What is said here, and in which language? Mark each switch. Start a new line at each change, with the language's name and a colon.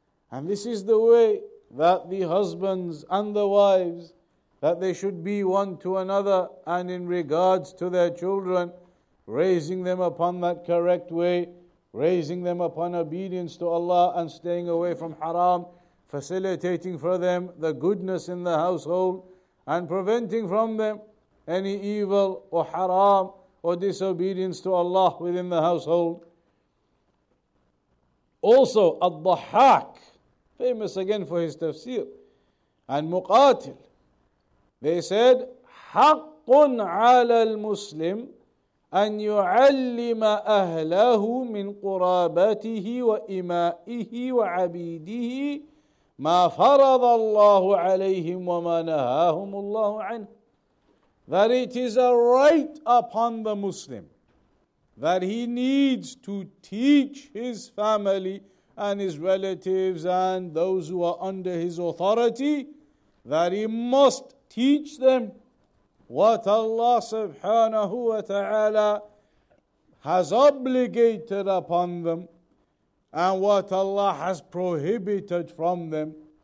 English: And this is the way that the husbands and the wives, that they should be one to another, and in regards to their children, raising them upon that correct way, raising them upon obedience to Allah and staying away from haram, facilitating for them the goodness in the household and preventing from them any evil or haram or disobedience to Allah within the household. Also, Al-Dhahhak, famous again for his tafsir, and Muqatil, they said,
Arabic: حق على المسلم أن يعلم أهله من قرابته وإمائه وعبيده ما فرض الله عليهم وما نهاهم الله عنه.
English: That it is a right upon the Muslim that he needs to teach his family and his relatives and those who are under his authority, that he must teach them what Allah subhanahu wa ta'ala has obligated upon them and what Allah has prohibited from them.